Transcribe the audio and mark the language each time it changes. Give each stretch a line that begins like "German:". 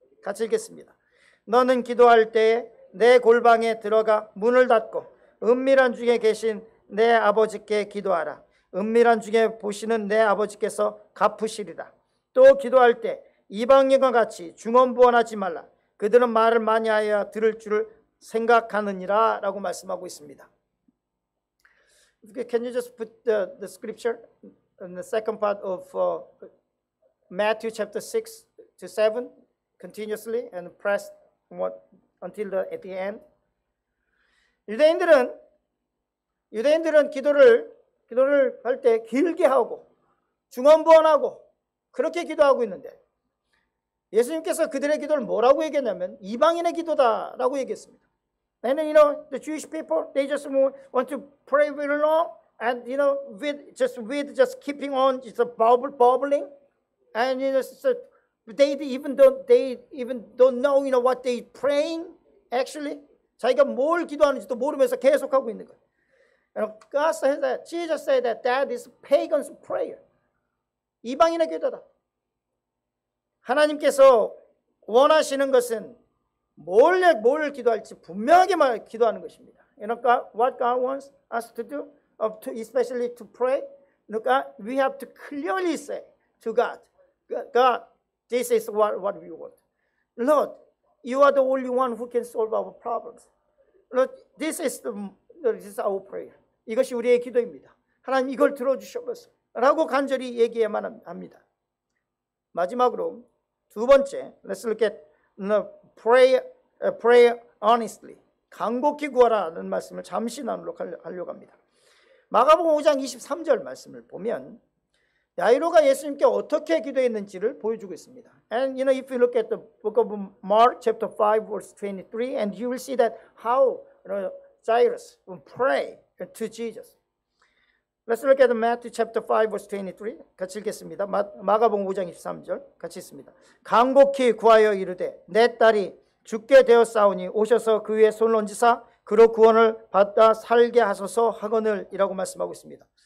Korean: 같이 읽겠습니다. 너는 기도할 때에 내 골방에 들어가 문을 닫고 은밀한 중에 계신 내 아버지께 기도하라. 은밀한 중에 보시는 내 아버지께서 갚으시리라. 또 기도할 때 이방인과 같이 중언부언하지 말라. 그들은 말을 많이 하여 들을 줄을 생각하느니라 라고 말씀하고 있습니다.
English: Can you just put the scripture in the second part of Matthew chapter 6 to 7 continuously and press what until the at the end?
Korean: 유대인들은 기도를 할 때 길게 하고 중언부언하고 그렇게 기도하고 있는데 예수님께서 그들의 기도를 뭐라고 얘기했냐면 이방인의 기도다라고 얘기했습니다.
English: And you know, the Jewish people, they just want to pray very long and, you know, with just keeping on just bubbling. And, you know, so they even don't know, you know, what they praying, actually.
Korean: 자기가 뭘 기도하는지도 모르면서 계속하고 있는 거예요.
English: And God said that, Jesus said that that is pagan's prayer.
Korean: 이방인의 기도다. 하나님께서 원하시는 것은 뭘 기도할지 분명하게 말 기도하는 것입니다.
English: You know, what God wants us to do, especially to pray. Look, we have to clearly say to God, God, this is what we want. Lord, you are the only one who can solve our problems. Lord, this is our prayer.
Korean: 이것이 우리의 기도입니다. 하나님 이걸 들어주셨소라고 간절히 얘기해야만 합니다. 마지막으로 두 번째,
English: let's look at the pray honestly.
Korean: 간곡히 구하라는 말씀을 잠시 나누려 하려고 합니다. 마가복음 5장 23절 말씀을 보면 야이로가 예수님께 어떻게 기도했는지를 보여주고 있습니다.
English: And you know, if you look at the book of Mark chapter 5 verse 23 and you will see that how, you know, Jairus will pray to Jesus. Let's look at Matthew chapter 5 verse 23.
Korean: 같이 읽겠습니다. 마가복음 5장 23절 같이 읽습니다. 간곡히 구하여 이르되 내 딸이 죽게 되었사오니 오셔서 그 위에 손을 얹으사 그로 구원을 받아 살게 하소서 하거늘 이라고 말씀하고 있습니다.